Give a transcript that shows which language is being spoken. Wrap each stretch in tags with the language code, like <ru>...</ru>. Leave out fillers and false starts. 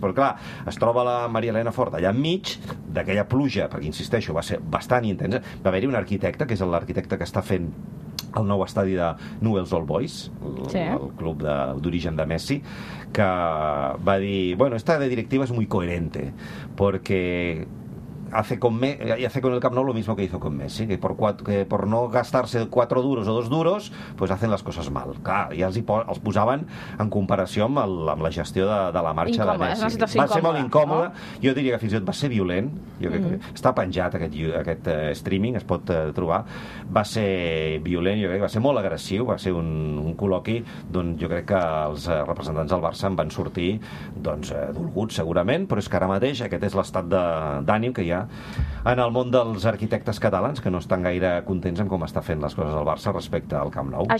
<ca>Però, clar, es troba la Maria Helena Fort allà enmig d'aquella pluja, perquè, insisteixo, va ser bastant intensa. Va haver-hi un arquitecte, que és l'arquitecte que està fent el nou estadi de Newell's Old Boys, el club d'origen de Messi, que va dir,</ca> <es>bueno, esta directiva es muy coherente, porque hace con y hace con el Camp Nou lo mismo que hizo con Messi, que por no gastarse 4 duros o 2 duros, pues hacen las cosas mal.</es> <ca>Clar, ja els posaven en comparació amb la gestió de la marxa incòmode, de Messi. Una va ser molt incòmode, no? Jo diria que fins i tot va ser violent. Jo crec que està penjat aquest streaming, es pot trobar. Va ser violent, jo crec que va ser molt agressiu, va ser un col·loqui d'on jo crec que els representants del Barça en van sortir doncs dolguts segurament, però és que ara mateix aquest és l'estat d'ànim que hi ha en el món dels arquitectes catalans, que no estan gaire contents amb com està fent les coses al Barça respecte al Camp Nou.</ca>